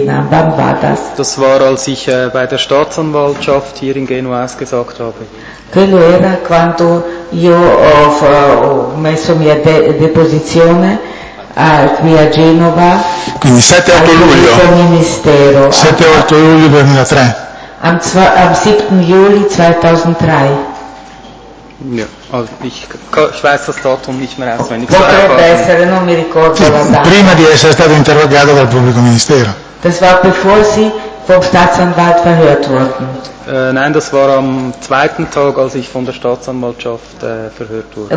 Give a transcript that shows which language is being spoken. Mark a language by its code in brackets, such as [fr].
[de] Das war, als ich bei der Staatsanwaltschaft hier in Genua ausgesagt habe. [it] Quello era quando io ho messo mia deposizione qui a Genova. Quindi 7-8 luglio. Al ministero. 7-8 luglio 2003. [de] Am 7. Juli 2003. Ja, ich weiß das Datum nicht mehr auswendig. [it] Potrebbe essere, non mi ricordo la data. Prima di essere stato interrogato dal pubblico ministero. [de] Das war bevor Sie vom Staatsanwalt verhört wurden. Nein, das war am zweiten Tag, als ich von der Staatsanwaltschaft verhört wurde.